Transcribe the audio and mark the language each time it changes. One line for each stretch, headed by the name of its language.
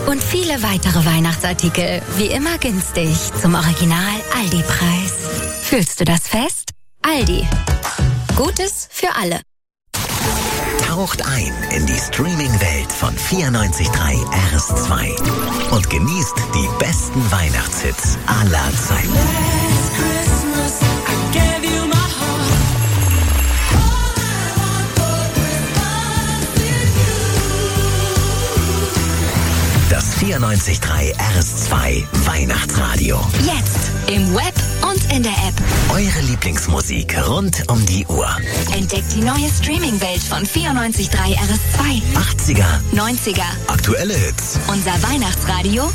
German: Und viele weitere Weihnachtsartikel. Wie immer günstig zum Original-Aldi-Preis. Fühlst du das fest? Aldi. Gutes für alle. Taucht ein in die Streaming-Welt von 94.3 RS2 und genießt die besten Weihnachtshits aller Zeiten.
English: Last Christmas, I gave you my heart. All I want for Christmas is you.
German: Das 94.3 RS2 Weihnachtsradio. Jetzt im Web. Und in der App. Eure Lieblingsmusik rund um die Uhr. Entdeckt die neue Streaming-Welt von 94.3 RS2. 80er. 90er. Aktuelle Hits. Unser Weihnachtsradio.